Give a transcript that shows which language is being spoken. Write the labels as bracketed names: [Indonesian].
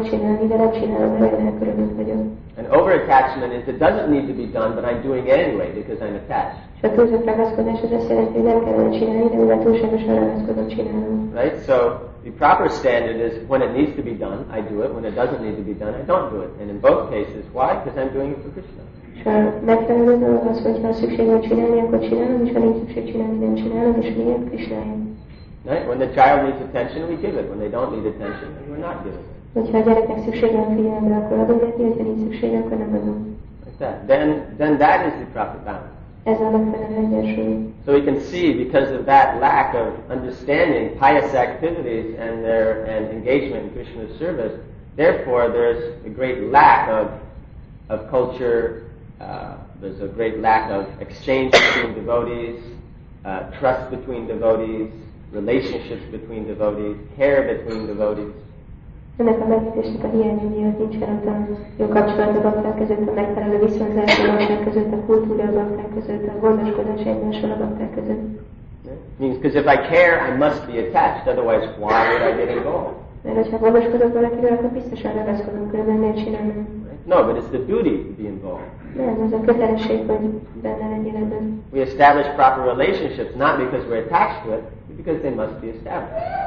[English] An over-attachment is it doesn't need to be done, but I'm doing it anyway because I'm attached. [Hungarian] A túlzott ragaszkodás az azt jelenti, hogy nem kellene csinálni, de mivel túlságosan ragaszkodom, csinálom. [English] Right? So the proper standard is when it needs to be done, I do it. When it doesn't need to be done, I don't do it. And in both cases, why? Because I'm doing it for Krishna. [Hungarian] És a megfelelő dolog az, hogy ha szükség van csinálni, akkor csinálom, és ha nincs szükség csinálni, nem csinálom, és miért Krishna. [English] Right? When the child needs attention, we give it. When they don't need attention, then we're not giving it. [Hungarian] Hogyha a gyereknek szükség van figyelemre, akkor adom neki, hogyha nincs szükség, akkor nem adom. [English] Then that is the proper balance. [Hungarian] Ez a megfelelő egyensúly. [English] So we can see, because of that lack of understanding pious activities and their and engagement in Krishna's service, therefore there's a great lack of culture, there's a great lack of exchange between devotees, trust between devotees, relationships between devotees, care between devotees. [Hungarian] Ennek a megítésnek a hiánya miatt nincs teremt a jó kapcsolat a bakták között, a megfelelő viszonzás a bakták között, a kultúra a bakták között, a gondoskodás egymással a bakták között. [English] Means because if I care, I must be attached, otherwise why would I get involved? No, but it's the duty to be involved. We establish proper relationships not because we're attached to it, but because they must be established.